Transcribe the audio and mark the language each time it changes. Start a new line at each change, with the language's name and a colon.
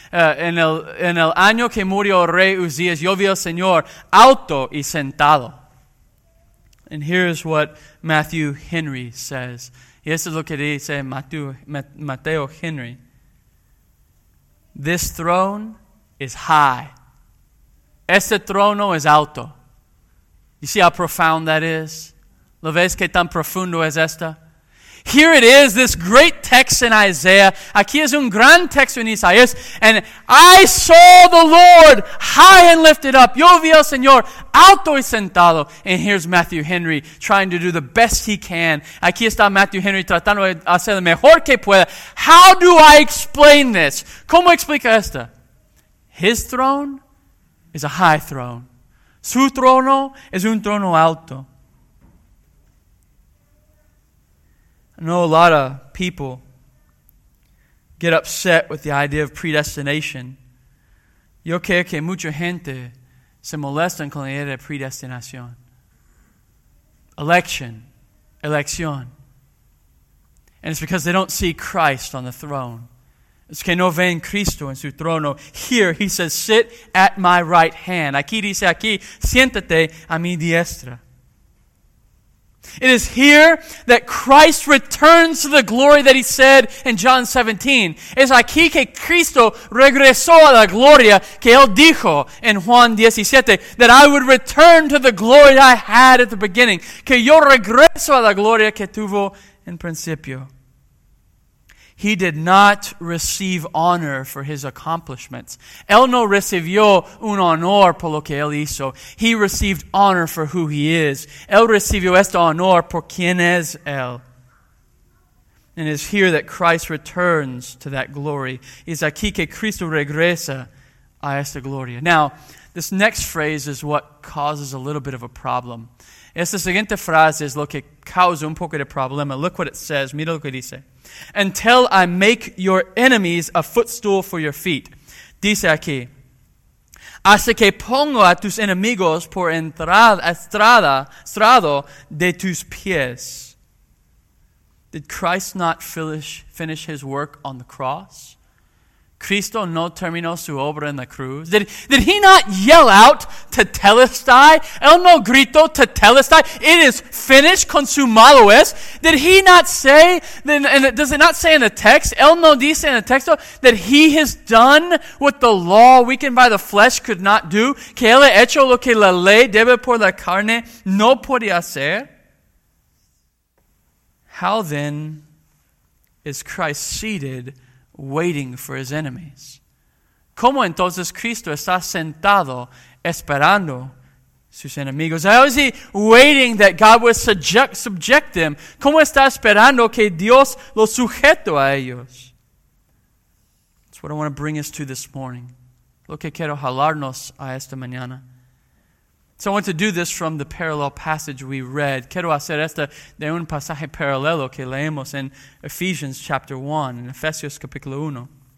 Spanish: En el año que murió Rey Uzías, yo vi al Señor alto y sentado.
English: And here's what Matthew Henry says.
Spanish: Y esto es lo que dice Mateo Henry.
English: This throne is high.
Spanish: Este trono es alto.
English: You see how profound that is?
Spanish: ¿Lo ves que tan profundo es esta?
English: Here it is, this great text in Isaiah.
Spanish: Aquí es un gran texto en Isaías.
English: And I saw the Lord high and lifted up.
Spanish: Yo vi al Señor alto y sentado.
English: And here's Matthew Henry trying to do the best he can.
Spanish: Aquí está Matthew Henry tratando de hacer lo mejor que pueda.
English: How do I explain this?
Spanish: ¿Cómo explica esto?
English: His throne is a high throne.
Spanish: Su trono es un trono alto.
English: I know a lot of people get upset with the idea of predestination.
Spanish: Yo creo que mucha gente se molesta con la idea de predestinación. Elección.
English: And it's because they don't see Christ on the throne.
Spanish: Es que no ven Cristo en su trono.
English: Here he says, sit at my right hand.
Spanish: Aquí dice, siéntate a mi diestra.
English: It is here that Christ returns to the glory that he said in John 17.
Spanish: Es aquí que Cristo regresó a la gloria que él dijo en Juan 17,
English: that I would return to the glory I had at the beginning,
Spanish: que yo regreso a la gloria que tuvo en principio.
English: He did not receive honor for his accomplishments.
Spanish: Él no recibió un honor por lo que él hizo.
English: He received honor for who he is.
Spanish: Él recibió este honor por quien es él.
English: And it is here that Christ returns to that glory.
Spanish: Es aquí que Cristo regresa a esta gloria.
English: Now, this next phrase is what causes a little bit of a problem.
Spanish: Esta siguiente frase es lo que causa un poco de problema.
English: Look what it says.
Spanish: Mira lo que dice.
English: Until I make your enemies a footstool for your feet.
Spanish: Dice aquí. Hasta que pongo a tus enemigos por estrado de tus pies.
English: Did Christ not finish his work on the cross?
Spanish: ¿Cristo no terminó su obra en la cruz?
English: Did he not yell out, Tetelestai?
Spanish: ¿El no gritó, Tetelestai?
English: It is finished,
Spanish: consumado es.
English: Did he not say, and does it not say in the text,
Spanish: ¿El no dice en el texto,
English: that he has done what the law weakened by the flesh could not do?
Spanish: ¿Que él ha hecho lo que la ley debe por la carne no podía hacer?
English: How then is Christ seated waiting for his enemies?
Spanish: ¿Cómo entonces Cristo está sentado esperando sus enemigos?
English: How is he waiting that God will subject them?
Spanish: ¿Cómo está esperando que Dios lo sujeto a ellos?
English: That's what I want to bring us to this morning.
Spanish: Lo que quiero jalarnos a esta mañana.
English: So I want to do this from the parallel passage we read.
Spanish: Quiero hacer esta de un pasaje paralelo que leemos en
English: Ephesians chapter 1,
Spanish: en Efesios capítulo 1.